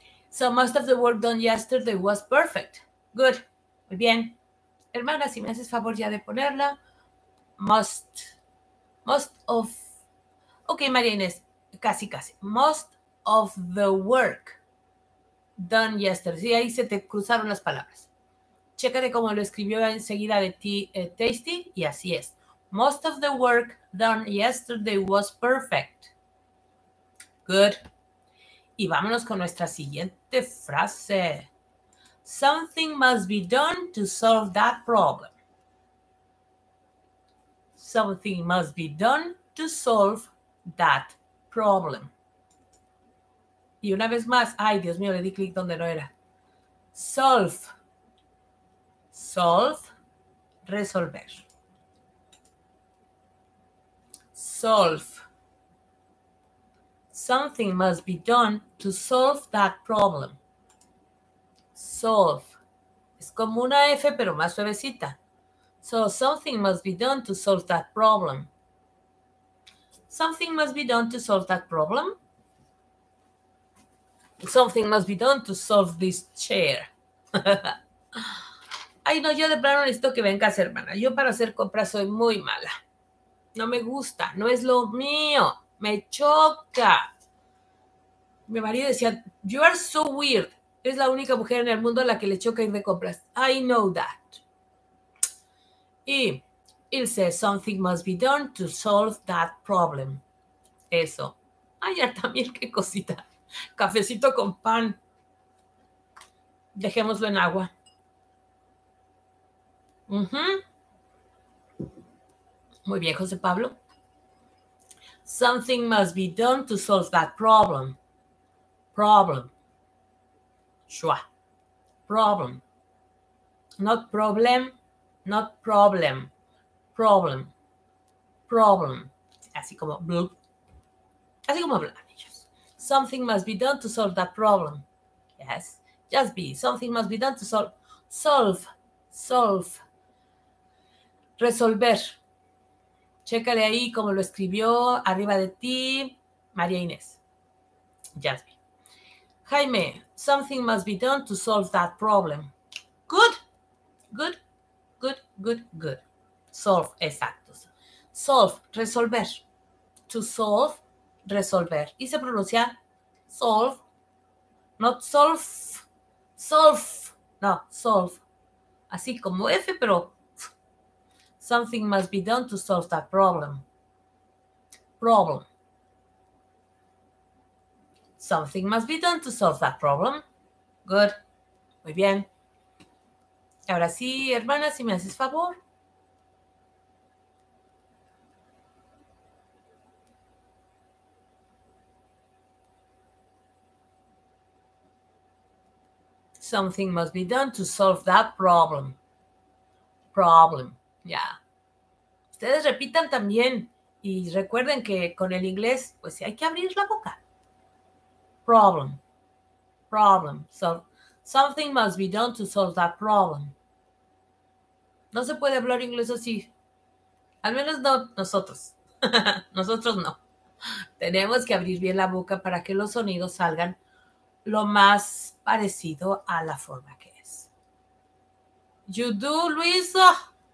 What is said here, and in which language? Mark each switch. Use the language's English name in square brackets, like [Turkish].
[English] So most of the work done yesterday was perfect. Good. [Spanish] Muy bien. Hermana, si me haces favor ya de ponerla. [English] Most of. Okay, María Inés. [Spanish] Casi, casi. [English] Most of the work done yesterday. [Spanish] Sí, ahí se te cruzaron las palabras. Chécate cómo lo escribió enseguida de ti, Tasty. Y así es. [English] Most of the work done yesterday was perfect. Good. [Spanish] Y vámonos con nuestra siguiente frase. [English] Something must be done to solve that problem. Something must be done to solve that problem. [Spanish] Y una vez más, ay, Dios mío, le di clic donde no era. [English] Solve. Solve. [Spanish] Resolver. [English] Solve. Something must be done to solve that problem. Solve. [Spanish] Es como una F, pero más suavecita. [English] So, something must be done to solve that problem. Something must be done to solve that problem. Something must be done to solve this chair. [Spanish] Ay, no, yo de plano necesito que vengas, hermana. Yo para hacer compras soy muy mala. No me gusta, no es lo mío. Me choca. Mi marido decía, [English] you are so weird. [Spanish] Es la única mujer en el mundo a la que le choca ir de compras. [English] I know that. [Spanish] Y él dice, [English] something must be done to solve that problem. [Spanish] Eso. Ay, también qué cosita. Cafecito con pan. Dejémoslo en agua. Uh-huh. Muy bien, José Pablo. [English] Something must be done to solve that problem. Problem. Schwa. Problem. Not problem. Not problem. Problem. Problem. [Spanish] Así como blub. Así como hablan ellos. [English] Something must be done to solve that problem. Yes. Just be. Something must be done to solve. Solve. Solve. [Spanish] Resolver. Chécale ahí cómo lo escribió arriba de ti, María Inés. [English] Jasmine. Jaime, something must be done to solve that problem. Good. Good. Good, good, good. Solve, [Spanish] exacto. [English] Solve, resolver. To solve, resolver. [Spanish] ¿Y se pronuncia? [English] Solve. Not solve. Solve. No, solve. [Spanish] Así como F, pero... [English] Something must be done to solve that problem. Problem. Something must be done to solve that problem. Good. [Spanish] Muy bien. Ahora sí, hermana, si me haces favor. [English] Something must be done to solve that problem. Problem. Ya. Yeah. [Spanish] Ustedes repitan también y recuerden que con el inglés, pues sí, hay que abrir la boca. [English] Problem. Problem. So, something must be done to solve that problem. [Spanish] No se puede hablar inglés así. Al menos no nosotros. Nosotros no. Tenemos que abrir bien la boca para que los sonidos salgan lo más parecido a la forma que es. [English] You do, Luisa.